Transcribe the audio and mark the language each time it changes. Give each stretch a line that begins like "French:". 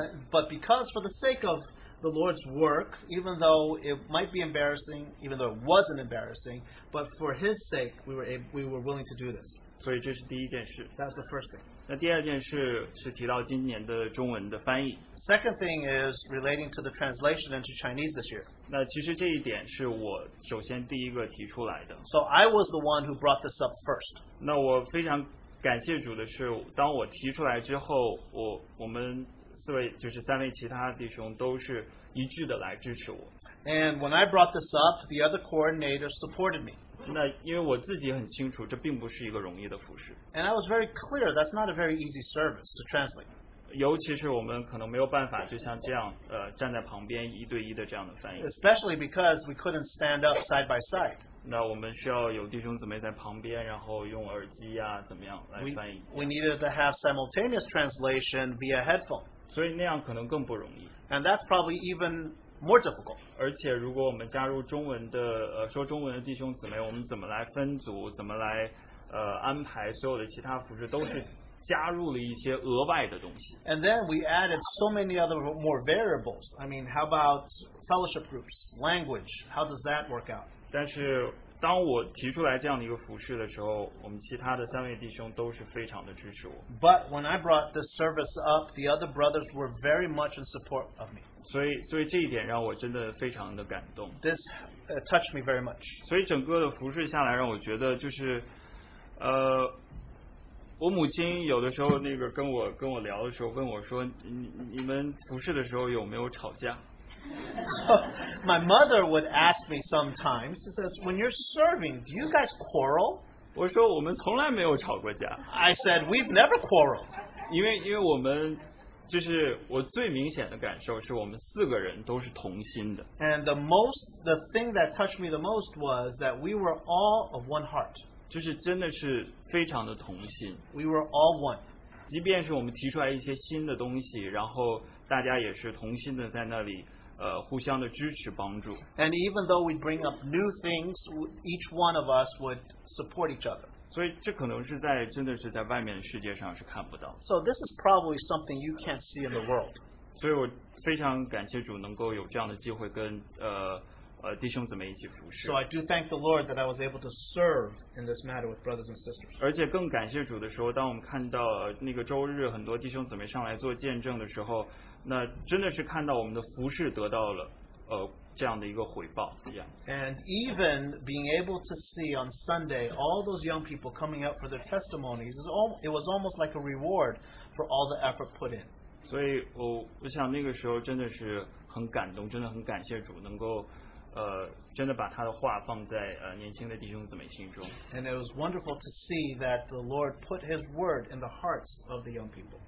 English: But because for the sake of the Lord's work, even though it might be embarrassing, even though it wasn't embarrassing, but for His sake, we were willing to do this.
Chinese: 所以这是第一件事。
English: That's the first thing.
Chinese: 那第二件事是提到今年的中文的翻译。
English: Second thing is relating to the translation into Chinese this year.
Chinese: 那其实这一点是我首先第一个提出来的。
English: So I was the one who brought this up first.
Chinese: 那我非常感谢主的是，当我提出来之后，我们四位就是三位其他弟兄都是一致的来支持我。
English: And when I brought this up, the other coordinator supported me.
Chinese: 那因为我自己很清楚,
English: and I was very clear, that's not a very easy service to translate.
Chinese: 尤其是我们可能没有办法就像这样, 站在旁边一对一的这样的翻译。
English: Especially because we couldn't stand up side by side.
Chinese: 那我们需要有弟兄姊妹在旁边, 然后用耳机啊, 怎么样来翻译。
English: We needed to have simultaneous translation via headphone.
Chinese: 所以那样可能更不容易。
English: And that's probably even more difficult.
Chinese: 而且如果我们加入中文的, 说中文的弟兄姊妹, 我们怎么来分组, 怎么来, 安排所有的其他服饰都是加入了一些额外的东西。
English: And then we added so many other more variables. I mean, how about fellowship groups, language? How does that work out?
Chinese: 但是当我提出来这样的一个服饰的时候, 我们其他的三位弟兄都是非常的支持我。
English: But when I brought this service up, the other brothers were very much in support of me.
Chinese: 所以这一点让我真的非常的感动。
English: This touched me very much.
Chinese: 所以整个的服饰下来让我觉得就是, 我母亲有的时候那个跟我聊的时候, 问我说, 你们服饰的时候有没有吵架?
English: So my mother would ask me sometimes, she says, when you're serving, do you guys quarrel?
Chinese: 我说我们从来没有吵过架。
English: I said, we've never quarreled.
Chinese: 因为我们, 就是我最明显的感受是我们四个人都是同心的。
English: And the thing that touched me the most was that we were all of one heart.
Chinese: 就是真的是非常的同心。
English: We were all one.
Chinese: 即便是我们提出来一些新的东西, 然后大家也是同心的在那里, 互相的支持帮助。
English: And even though we'd bring up new things, each one of us would support each other.
Chinese: 所以这可能是在真的是在外面的世界上是看不到。
English: So this is probably something you can't see in the world.
Chinese: 所以我非常感谢主能够有这样的机会跟, 弟兄姊妹一起服侍。
English: So I do thank the Lord that I was able to serve in this matter with brothers and sisters.
Chinese: 而且更感谢主的时候, 当我们看到, 那个周日很多弟兄姊妹上来做见证的时候, 那真的是看到我们的服饰得到了, 这样的一个回报,
English: And even being able to see on Sunday all those young people coming out for their testimonies, it was almost like a reward for all the effort put in.
Chinese: 所以我想那个时候真的是很感动，真的很感谢主能够, 真的把他的话放在, 年轻的弟兄姊妹心中。
English: And it was wonderful to see that the Lord put His word in the hearts of the young people.